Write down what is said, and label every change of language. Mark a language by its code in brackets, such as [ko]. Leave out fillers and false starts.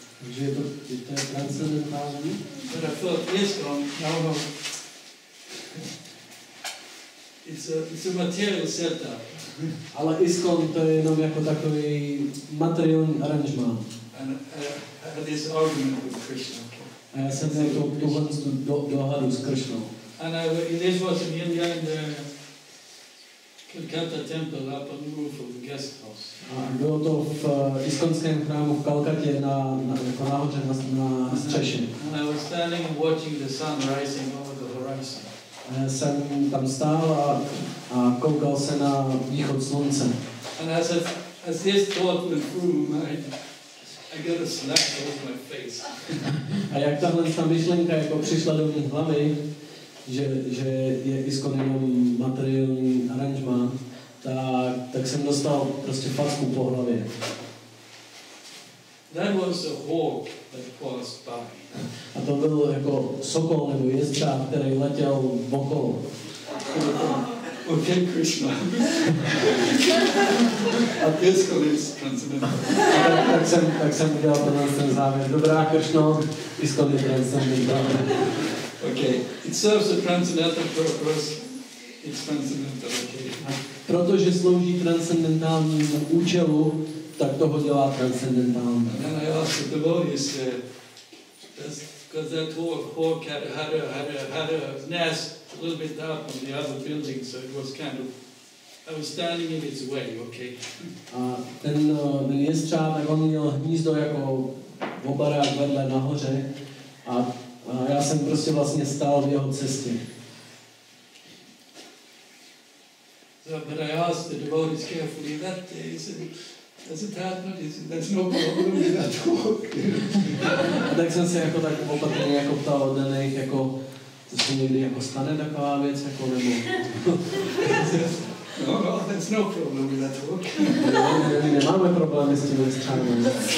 [cs] Takže je to transcendentální. [en] But I thought, yes, no. It's a material setup. [cs] Ale ISKCON to je jenom jako takový materiální aranžmán. [en] And this argument with Krishna. Okay. And I said, "Who wants to Krishna?" And this was in India, in the Calcutta temple, up on the roof of the guest house. And it was in the ISKCON temple in Calcutta, [cs] na střeše. [en] And I was standing and watching the sun rising over the horizon. [cs] A já jsem tam stál a koukal se na východ slunce. [en] And as this thought went through my I got a slap over my face. [cs] A jak tahle ta myšlenka jako přišla do mé hlavy, že je ISKCON jenom materiální aranžma, tak jsem dostal prostě facku po hlavě. [en] That was a hawk that passed by. [cs] A to byl jako sokol nebo jezdčák, který letěl okolo. [en] Okay, Krishna. A ISKCON is transcendental. [cs] Tak jsem udělal tenhle ten závěr. Dobrá, Krishna, ISKCON je transcendental. [en] Okay, it serves a transcendental purpose. It's transcendental, okay. [cs] Protože slouží transcendentálnímu účelu, tak toho dělá transcendentální. [en] And I asked the devotees, because that hawk had a nest, a little bit up on the other building, so it was kind of, I was standing in its way, okay. [cs] Ten jestřáb, tak on měl hnízdo jako v obarách vedle nahoře a já jsem prostě vlastně stál v jeho cestě. [en] So, but I asked the devotees carefully that day, does it happen? There's no problem with that hawk. [cs] A tak jsem se jako tak opatrně jako ptal od nich, jako to se někdy jako stane taková věc, jako nebo... [en] No, there's no problem with that hawk. [cs] My nemáme problémy s tím stranem.